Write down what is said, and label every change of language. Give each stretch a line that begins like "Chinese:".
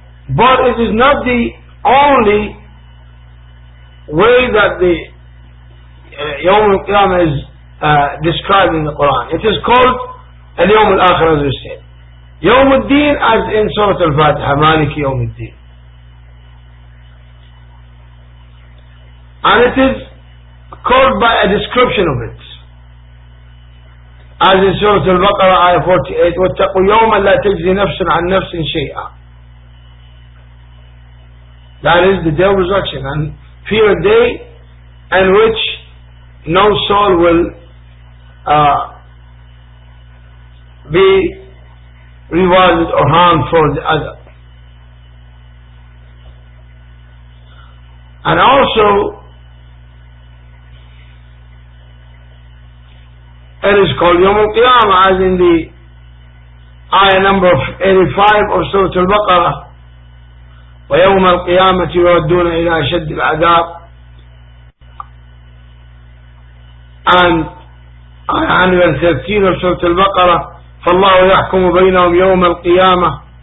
English: But it is not the only way that the Yawm Al-Qiyamah is described in the Quran. It is called Al-Yawm Al-Akhir, as we said. Yawm Al-Din, as in Surah Al-Fatiha, Maliki Yawm Al-Din. And it is called by a description of it. As in Surah Al-Baqarah, Ayah 48,
Arabic: وَاتَّقُوا يَوْمًا لَا تَجْزِي نَفْسٍ عَنْ نَفْسٍ شَيْئًا.
English: That is the day of resurrection, and fear a day in which no soul will be rewarded or harmed for the other. And also, it is called Yawm Al-Qiyamah, as in the ayah number 85 of Surah Al-Baqarah.
Arabic: ويوم القيامة يردون إلى أشد العذاب.
English: And 113 of Surah Al-Baqarah,
Arabic: فالله يحكم بينهم يوم القيامة.